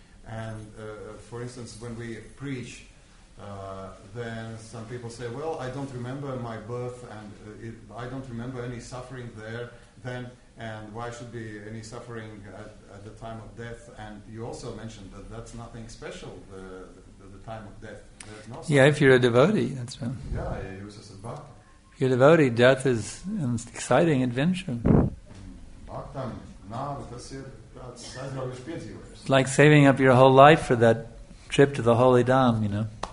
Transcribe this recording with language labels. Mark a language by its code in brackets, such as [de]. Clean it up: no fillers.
[en] And for instance, when we preach, then some people say, well, I don't remember my birth and I don't remember any suffering there then, and why should be any suffering at the time of death? And you also mentioned that that's nothing special, the time of death. No, yeah, if you're a devotee, that's right. Yeah, you use as a bhakti. If you're a devotee, death is an exciting adventure. [lv] Bhaktam, nāve, tas ir tāds aizraujošs piedzīvojums. [en] It's like saving up your whole life for that trip to the Holy Dham, you know.